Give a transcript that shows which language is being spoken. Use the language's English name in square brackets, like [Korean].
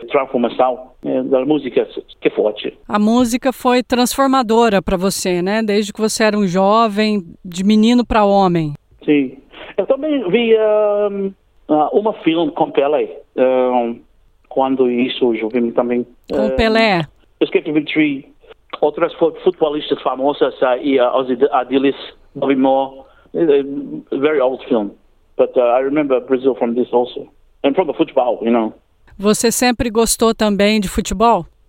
[Portuguese] Transformação da música, que forte. A música foi transformadora para você, né? Desde que você era um jovem, de menino para homem. Sim. Eu também vi uma filme com Pelé. Quando isso, eu vi também. Com Pelé? Escape Victory. Outras futebolistas famosas, [English] Adilis, Bobby Moore, very old film, but I remember Brazil from this also, and from the football, you know. [Portuguese] Você sempre gostou também de futebol?